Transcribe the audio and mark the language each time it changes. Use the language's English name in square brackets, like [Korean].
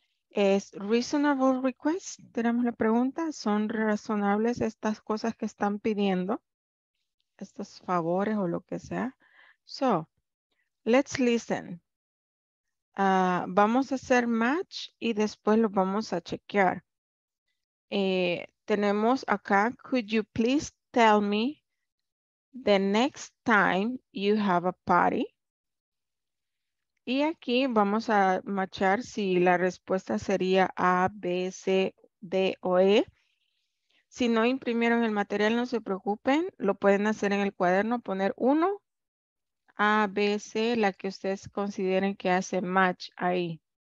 [Spanish] Es [English] reasonable request, [Spanish] tenemos la pregunta, ¿son razonables estas cosas que están pidiendo? Estos favores o lo que sea. [English] So, let's listen. [Spanish] Vamos a hacer match y después lo vamos a chequear. Tenemos acá, [English] could you please tell me the next time you have a party? [Spanish] Y aquí vamos a machar si la respuesta sería A, B, C, D o E. Si no imprimieron el material, no se preocupen. Lo pueden hacer en el cuaderno, poner uno, A, B, C, la que ustedes consideren que hace match ahí.